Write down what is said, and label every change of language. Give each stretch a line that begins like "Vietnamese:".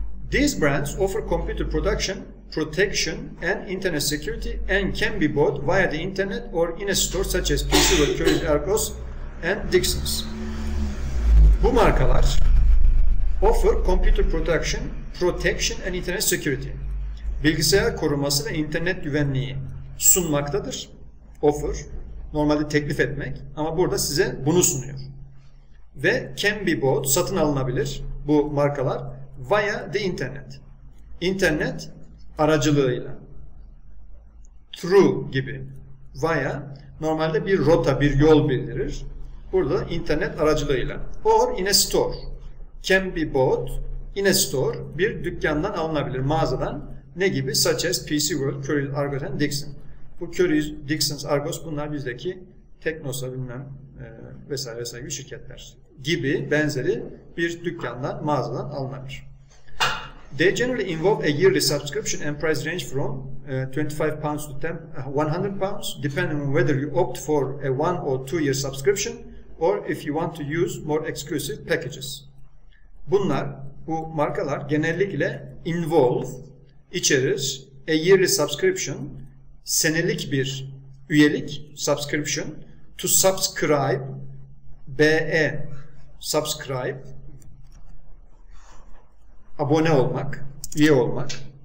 English: These brands offer computer production, protection and internet security and can be bought via the internet or in a store such as PC World, Currys, Arcos and Dixons.
Turkish: Bu markalar
English: offer computer production, protection and internet security.
Turkish: Bilgisayar koruması ve internet güvenliği sunmaktadır. Offer, normalde teklif etmek ama burada size bunu sunuyor. Ve
English: can be bought,
Turkish: satın alınabilir bu markalar
English: via the internet.
Turkish: İnternet aracılığıyla. Through gibi. Via. normalde bir rota, bir yol bildirir. Burada internet aracılığıyla.
English: Or in a store. Can be bought in a store.
Turkish: Bir dükkandan alınabilir, mağazadan. Ne gibi?
English: Such as PC World, Curry, Argos and Dixon.
Turkish: Bu Curry, Dixon, Argos bunlar bizdeki Teknosa bilmem vesaire vesaire gibi şirketler gibi benzeri bir dükkandan, mağazadan alınabilir.
English: They generally involve a yearly subscription and price range from £25 to £100, depending on whether you opt for a 1 or 2 year subscription or if you want to use more exclusive packages.
Turkish: Bunlar, bu markalar genellikle involve, içerir,
English: a yearly subscription,
Turkish: senelik bir üyelik, subscription, to subscribe, BE, subscribe, abone olmak, üye olmak,